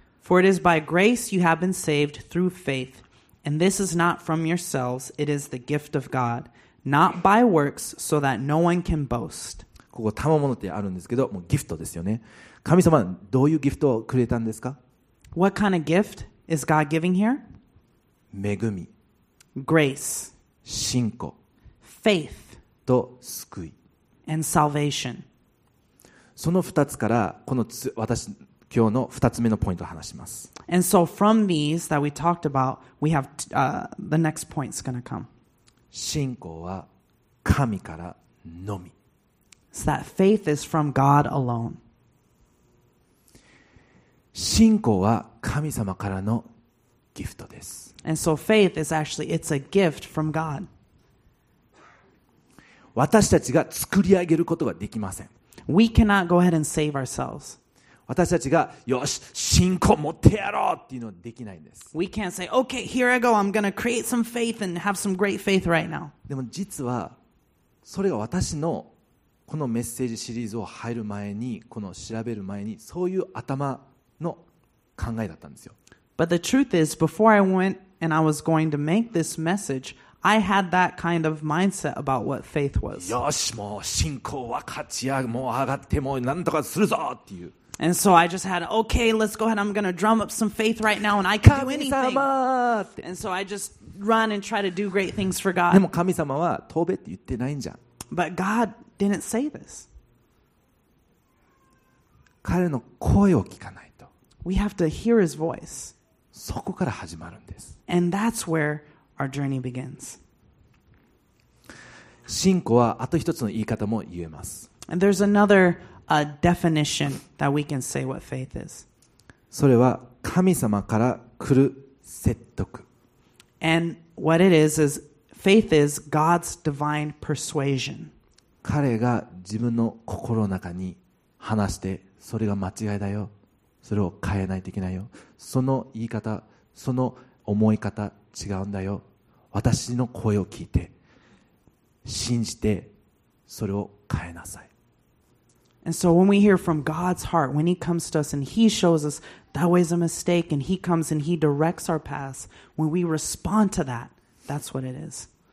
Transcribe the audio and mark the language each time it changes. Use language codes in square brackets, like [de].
[en] For it is by grace you have been saved through faith, and this is not from yourselves, it is the gift of God, not by works, so that no one can boast. [ja] ここ賜物ってあるんですけど、もうギフトですよね。神様、どういうギフトをくれたんですか？ [en] What kind of gift is God giving here? [ja] 恵み。 [en] Grace. [ja] 信仰。 [en] Faith [ja] と救い [en] and salvation. [ja] その2つからこの私今日の2つ目のポイントを話します。 [en] And so from these that we talked about, we have, the next point's gonna come. [ja] 信仰は神からのみ。 [en] So that faith is from God alone. [ja] 信仰は神様からのギフトです。 [en] And so faith is actually, it's a gift from God. [ja] 私たちが作り上げることができません。 [en] We cannot go ahead and save ourselves. [ja] 私たちがよし信仰持ってやろうっていうのはできないんです。 [en] We can't say, okay, here I go. I'm gonna create some faith and have some great faith right now. [ja] でも実はそれが私のこのメッセージシリーズを入る前にこの調べる前にそういう頭の考えだったんですよ。 [en] But the truth is, before I went and I was going to make this message, I had that kind of mindset about what faith was. [ja] よしもう信仰分かち合うもう上がってもう何とかするぞっていう。 [en] And so I just had, okay, let's go ahead. I'm going to drum up some faith right now and I can do anything. And so I just run and try to do great things for God. [ja] でも神様は飛べって言ってないんじゃん。 [en] But God didn't say this. [ja] 彼の声を聞かないと。 [en] We have to hear his voice. [ja] そこから始まるんです。 [en] And that's where our journey begins. [ja] 信仰はあと一つの言い方も言えます。 [en] And there's anotherA definition that we can say what faith is. [ja] それは神様から来る説得。 [en] And what it is faith is God's divine persuasion. [ja] 彼が自分の心の中に話して、それが間違いだよ。それを変えないといけないよ。その言い方、その思い方違うんだよ。私の声を聞いて、信じて、それを変えなさい。 [en] And so when we hear from God's heart, when He comes to us and He shows us that way is a mistake, and He comes and He directs our paths, when we respond to that, that's what it is.